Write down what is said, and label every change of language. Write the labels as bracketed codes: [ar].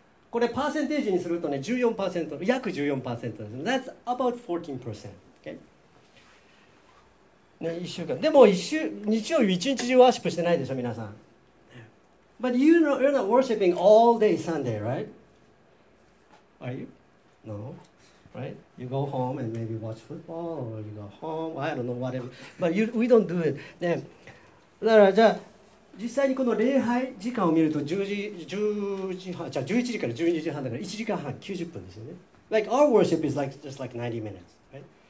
[ja] これパーセンテージにするとね、14%、約 14% です。 [en] That's about 14%、okay? [ja] ね、1週間。でも日曜日1日中ワーシップしてないでしょ、皆さん。 [en] But you know, you're not worshiping all day Sunday, right? Are you? No. Right? You go home and maybe watch football or you go home. I don't know, whatever. But we don't do it. ね、 [ja] だからじゃあ実際にこの礼拝時間を見ると10時半、じゃあ11時から12時半だから1時間半90分ですよね。 [en] Like our worship is like just like 90 minutes, right?